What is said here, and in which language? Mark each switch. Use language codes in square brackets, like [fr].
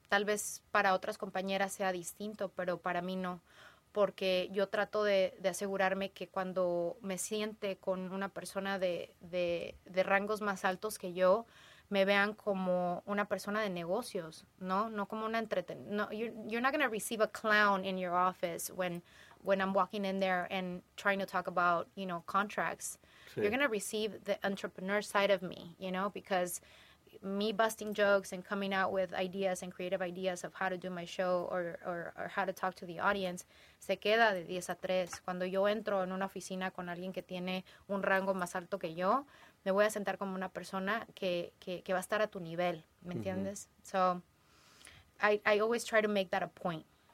[es] Tal vez para otras compañeras sea distinto, pero para mí no. Porque yo trato de asegurarme que cuando me siente con una persona de rangos más altos que yo, me vean como una persona de negocios, ¿no? No como una [en] you're not going to receive a clown in your office when I'm walking in there and trying to talk about, you know, contracts. Sí. You're going to receive the entrepreneur side of me, you know, because me busting jokes and coming out with ideas and creative ideas of how to do my show or how to talk to the audience [es] se queda de 10 a 3. Cuando yo entro en una oficina con alguien que tiene un rango más alto que yo, me voy a sentar como una persona que va a estar a tu nivel, ¿me entiendes? Uh-huh. [en] So, I always try to make that a point.